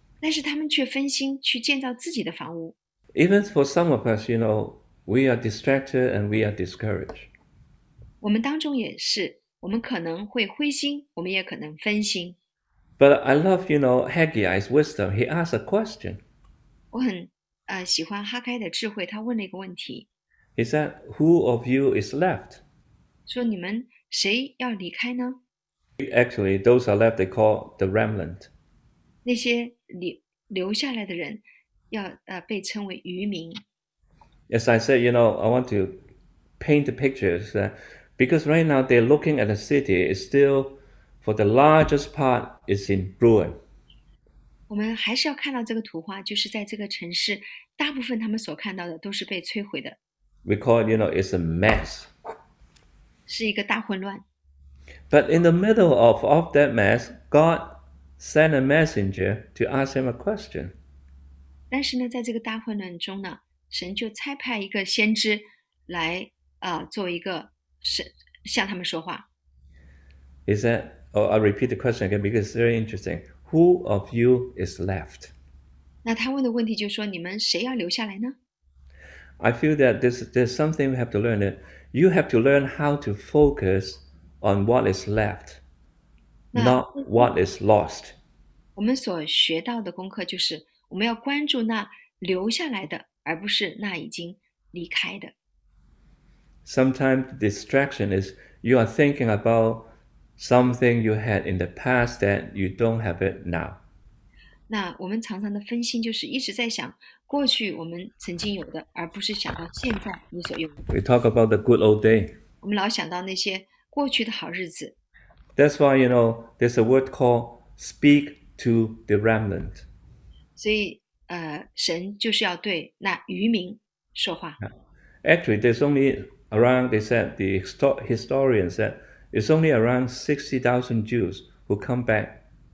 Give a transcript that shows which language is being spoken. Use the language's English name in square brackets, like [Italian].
[Chinese] 但是他们却分心去建造自己的房屋。 [English] Even for some of us, we are distracted and we are discouraged. [Chinese] 我们当中也是，我们可能会灰心，我们也可能分心。 [English] But I love, Haggai's wisdom. He asked a question. [Chinese] 我很喜欢哈开的智慧，他问了一个问题， [English] He said, "Who of you is left?" [Chinese] 说你们谁要离开呢？ [English] Actually, those are left, they call the remnant. [Chinese] 那些留下来的人要被称为渔民。 [English] As I said, I want to paint the pictures that because right now they're looking at the city, it's still, for the largest part, it's in ruin. [Chinese] 我们还是要看到这个图画，就是在这个城市，大部分他们所看到的都是被摧毁的， [English] We call it, it's a mess. [Chinese] 是一个大混乱。 [English] But in the middle of that mess, God sent a messenger to ask him a question. [Chinese] 但是呢，在这个大混乱中呢，神就差派一个先知来做一个神向他们说话。 [English] He said, oh, I'll repeat the question again because it's very interesting. Who of you is left? [Chinese] 那他问的问题就是说：“你们谁要留下来呢 [English] I feel that there's something we have to learn. That you have to learn how to focus on what is left, [Chinese] ？” 那 [English] not what is lost. [Chinese] 我们所学到的功课就是，我们要关注那留下来的，而不是那已经离开的。 [English] Sometimes distraction is you are thinking about something you had in the past that you don't have it now. [Chinese] 那我们常常的分心，就是一直在想过去我们曾经有的，而不是想到现在你所拥有的。 [English] We talk about the good old day. [Chinese] 我们老想到那些过去的好日子。 [English] That's why, there's a word called speak to the remnant. [Chinese] 所以，神就是要对那渔民说话。 [English] Actually, there's only around, they said, the historian said, it's only around 60,000 Jews who come back.